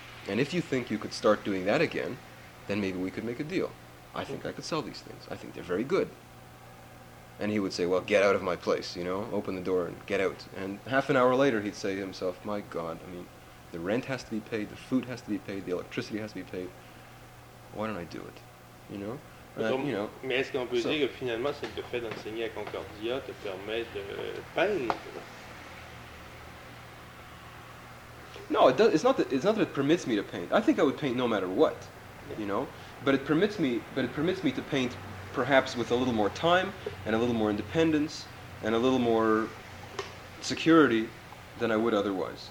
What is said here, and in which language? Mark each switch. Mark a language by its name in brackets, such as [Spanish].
[English] And if you think you could start doing that again, then maybe we could make a deal. I think I could sell these things. I think they're very good. And he would say, well, get out of my place, you know, open the door and get out. And half an hour later, he'd say to himself, my God, I mean, the rent has to be paid, the food has to be paid, the electricity has to be paid. Why don't I do it, you know? [French] Mais est-ce qu'on peut dire que finalement, c'est le fait d'enseigner à Concordia te permet de peindre? [English] No, it does, it's not that it permits me to paint. I think I would paint no matter what, yeah. You know? But it permits me to paint perhaps with a little more time and a little more independence and a little more security than I would otherwise.